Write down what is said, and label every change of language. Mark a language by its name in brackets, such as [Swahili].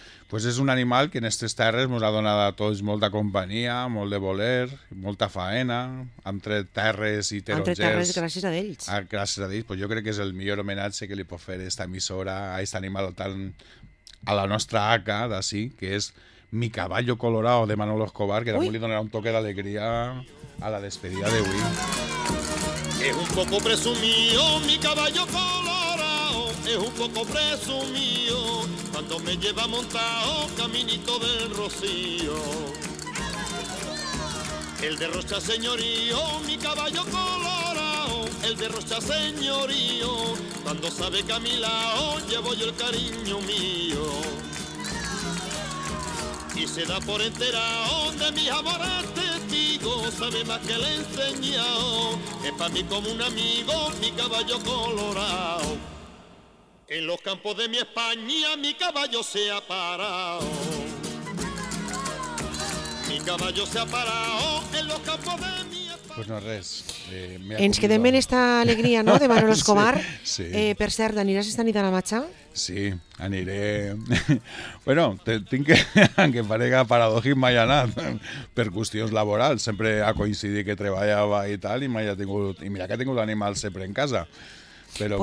[Catalan] Pues és un animal que en aquestes terres ens ha donat a tots molta companyia, molt de voler, molta faena, entre terres i tarongers. Entre terres, gràcies a ells. Gràcies a ells. Pues jo crec que és el millor homenatge que li pot fer aquesta emissora a aquest animal tan... a la nostra aca d'ací, que és Mi caballo colorado, de Manolo Escobar, que també li donarà un toque d'alegria a la despedida d'avui. [Spanish] Es un poco presumido mi caballo colorado, es un poco presumido. Cuando me lleva montado caminito del rocío, el de rocha señorío, mi caballo colorado, el derrocha señorío, cuando sabe que a mi lado llevo yo el cariño mío. Y se da por enterado de mis amores testigos, sabe más que le he enseñado, es para mí como un amigo mi caballo colorado. En los campos de mi España mi caballo se ha parado. Mi caballo se ha parado en los campampos de mi España. [Catalan] Pues no res. Ens quedem en esta alegria, no?, de Manolo Escobar. Sí, sí. Per cert, aniràs esta nit a la matxa? Sí, aniré. Bueno, tinc que, aunque parega paradójic, mai anat per qüestions laborals. Sempre ha coincidit que treballava i tal, i mai ha tingut, i mira que ha tingut animals sempre en casa. Però,